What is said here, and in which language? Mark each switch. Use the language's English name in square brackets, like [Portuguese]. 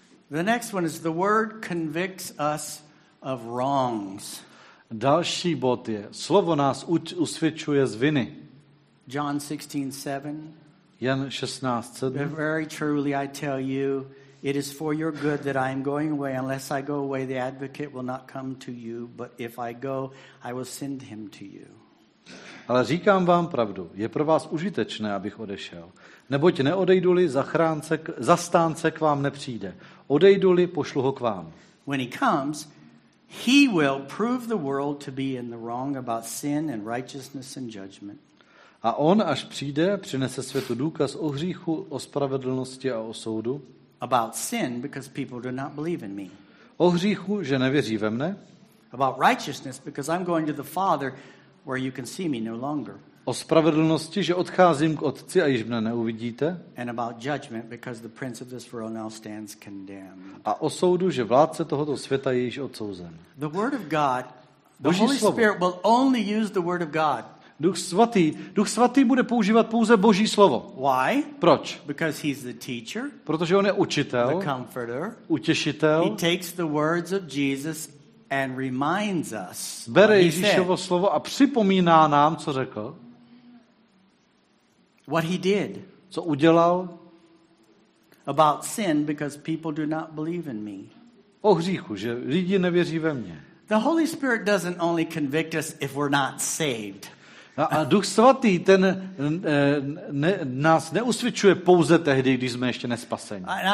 [English] The next one is the word convicts us of wrongs. [Czech] Další bod je, slovo nás usvědčuje z viny. [English] John 16:7. [Czech] Jan 16:7. [English] Very truly I tell you, it is for your good that I am going away. Unless I go away, the advocate will not come to you, but if I go, I will send him to you. [Czech] Ale říkám vám pravdu, je pro vás užitečné, abych odešel. Neboť neodejdu-li, zastánce k vám nepřijde. Odejdu-li, pošlu ho k vám. [English] When he comes, he will prove the world to be in the wrong about sin and righteousness and judgment. [Czech] A on, až přijde, přinese světu důkaz o hříchu, o spravedlnosti a o soudu. [English] About sin, because people do not believe in me. [Czech] O hříchu, že nevěří ve mne. [English] About righteousness, because I'm going to the Father where you can see me no longer. [Czech] O spravedlnosti, že odcházím k Otci a již mne neuvidíte. [English] And about judgment, because the prince of this world now stands condemned. [Czech] A o soudu, že vládce tohoto světa je již odsouzen. [English] The word of God, the Holy Spirit will only use the word of God. [Czech] Duch svatý bude používat pouze Boží slovo. [English] Why? [Czech] Proč? [English] Because he's the teacher. [Czech] Protože on je učitel. [English] The comforter. [Czech] Utěšitel. [English] He takes the words of Jesus and reminds us. [Czech] Bere Ježíšovo slovo a připomíná nám, co řekl. [English] What he did. [Czech] Co udělal? [English] About sin, because people do not believe in me. [Czech] O hříchu, že lidi nevěří ve mě. [English] The Holy Spirit doesn't only convict us if we're not saved. [Czech] A Duch svatý, ten nás neusvědčuje pouze tehdy, když jsme ještě nespaseni.